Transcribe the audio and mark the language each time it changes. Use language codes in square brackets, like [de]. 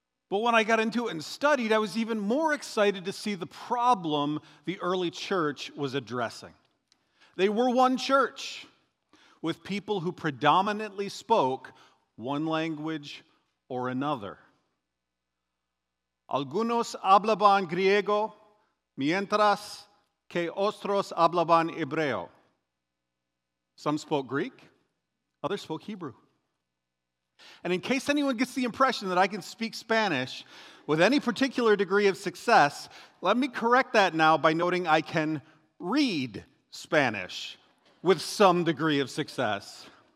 [en] But when I got into it and studied, I was even more excited to see the problem the early church was addressing. They were one church with people who predominantly spoke one language or another. [es] Algunos hablaban griego, mientras que otros hablaban hebreo. [en] Some spoke Greek, others spoke Hebrew. And in case anyone gets the impression that I can speak Spanish with any particular degree of success, let me correct that now by noting I can read Spanish with some degree of success.